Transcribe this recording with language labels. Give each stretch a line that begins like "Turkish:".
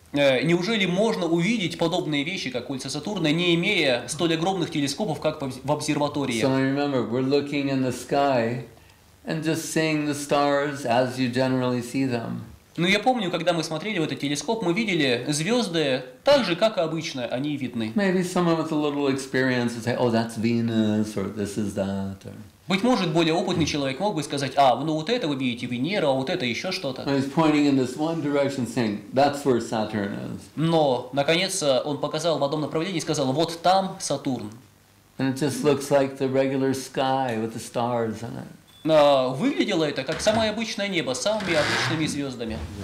Russian: Неужели можно увидеть подобные вещи, как кольца Сатурна, не имея столь огромных телескопов, как в обсерватории?
English: So I remember, we're looking in the sky and just seeing the stars as you generally see them.
Russian: Но я помню, когда мы смотрели в этот телескоп, мы видели звезды так же, как и обычно, они видны.
English: Maybe someone with a little experience would say, oh, that's Venus, or this is that, or...
Russian: Быть может, более опытный человек мог бы сказать, а, ну вот это вы видите Венера, а вот это еще что-то.
English: He's pointing in this one direction, saying, that's where Saturn is.
Russian: Но, наконец, он показал в одном направлении и сказал, вот там Сатурн.
English: And it just looks like the regular sky with the stars on it.
Russian: Выглядело это как самое обычное небо с самыми обычными звездами.